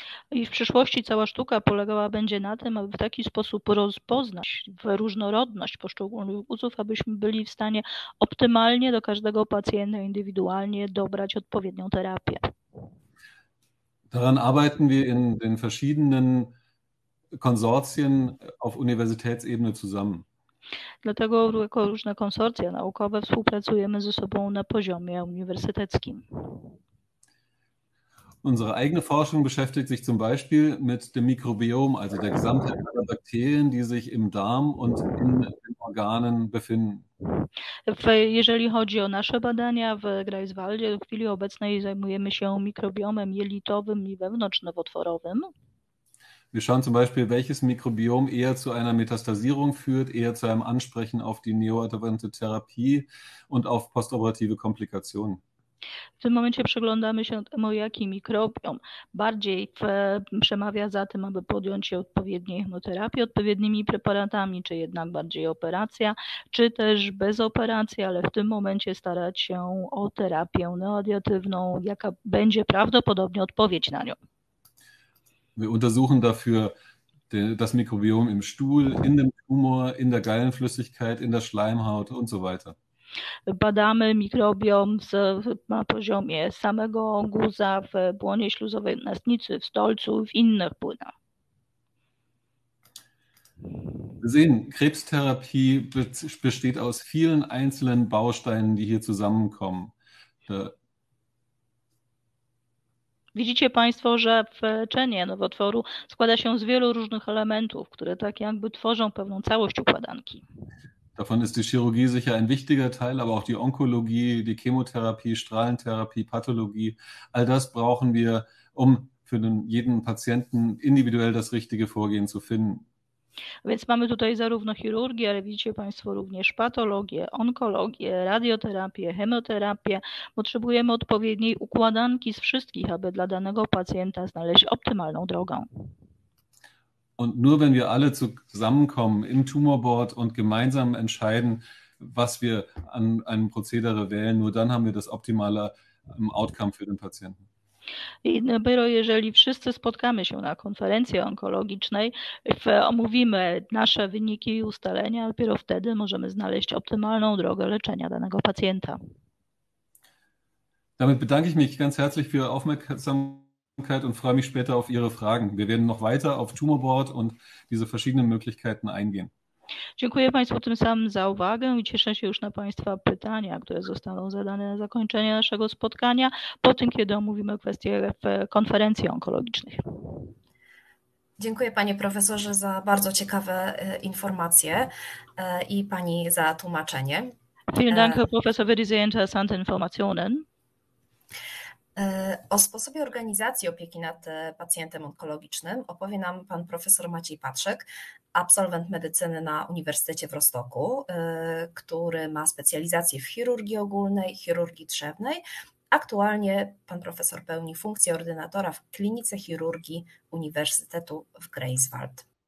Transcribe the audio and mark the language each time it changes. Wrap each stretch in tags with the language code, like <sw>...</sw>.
<pl>I w przyszłości cała sztuka polegała będzie na tym, aby w taki sposób rozpoznać różnorodność poszczególnych guzów, abyśmy byli w stanie optymalnie do każdego pacjenta indywidualnie dobrać odpowiednią terapię.</pl> <de>Daran arbeiten wir in den verschiedenen Konsortien auf Universitätsebene zusammen.</de> <pl>Dlatego jako różne konsorcja naukowe współpracujemy ze sobą na poziomie uniwersyteckim.</pl> <de>Unsere eigene Forschung beschäftigt sich zum Beispiel mit dem Mikrobiom, also der Gesamtheit der Bakterien, die sich im Darm und in den Organen befinden.</de> <pl>Jeżeli chodzi o nasze badania w Greifswaldzie, w chwili obecnej zajmujemy się mikrobiomem jelitowym i wewnątrznowotworowym.</pl> <de>Wir schauen zum Beispiel, welches Mikrobiom eher zu einer Metastasierung führt, eher zu einem Ansprechen auf die neoadjuvante Therapie und auf postoperative Komplikationen.</de> <pl>W tym momencie przyglądamy się temu, jaki mikrobiom bardziej przemawia za tym, aby podjąć się odpowiedniej chemioterapii odpowiednimi preparatami, czy jednak bardziej operacja, czy też bez operacji, ale w tym momencie starać się o terapię neoadiutywną, jaka będzie prawdopodobnie odpowiedź na nią.</pl> <de>Wir untersuchen dafür das Mikrobiom im Stuhl, in dem Tumor, in der Gallenflüssigkeit, in der Schleimhaut und so weiter.</de> <pl>Badamy mikrobiom na poziomie samego guza w błonie śluzowej natnicy, w stolcu, w innych płynach.</pl> <de>Wir sehen, Krebstherapie besteht aus vielen einzelnen Bausteinen, die hier zusammenkommen.</de> <pl>Widzicie Państwo, że leczenie nowotworu składa się z wielu różnych elementów, które tak jakby tworzą pewną całość układanki.</pl> <de>Davon ist die Chirurgie sicher ein wichtiger Teil, aber auch die Onkologie, die Chemotherapie, Strahlentherapie, Pathologie, all das brauchen wir, um für jeden Patienten individuell das richtige Vorgehen zu finden.</de> <pl>Więc mamy tutaj zarówno chirurgię, ale widzicie Państwo również patologię, onkologię, radioterapię, chemioterapię. Potrzebujemy odpowiedniej układanki z wszystkich, aby dla danego pacjenta znaleźć optymalną drogę.</pl> <de>Und nur wenn wir alle zusammenkommen im Tumorboard und gemeinsam entscheiden, was wir an einem Prozedere wählen, nur dann haben wir das optimale Outcome für den Patienten.</de> <pl>I dopiero jeżeli wszyscy spotkamy się na konferencji onkologicznej, omówimy nasze wyniki i ustalenia, dopiero wtedy możemy znaleźć optymalną drogę leczenia danego pacjenta.</pl> <de>Damit bedanke ich mich ganz herzlich für Ihre Aufmerksamkeit. Und freue mich später auf Ihre Fragen. Wir werden noch weiter auf Tumorboard und diese verschiedenen Möglichkeiten eingehen.</de> <pl>Dziękuję Państwu tym samym za uwagę i cieszę się już na Państwa pytania, które zostaną zadane na zakończenie naszego spotkania, po tym, kiedy omówimy kwestie w konferencji onkologicznych. Dziękuję panie profesorze za bardzo ciekawe informacje i pani za tłumaczenie.</pl> <de>Vielen Dank, Herr Professor, für diese interessanten Informationen.</de> <pl>O sposobie organizacji opieki nad pacjentem onkologicznym opowie nam pan profesor Maciej Patrzek, absolwent medycyny na Uniwersytecie w Rostocku, który ma specjalizację w chirurgii ogólnej, chirurgii trzewnej. Aktualnie pan profesor pełni funkcję ordynatora w Klinice Chirurgii Uniwersytetu w Greifswald.</pl>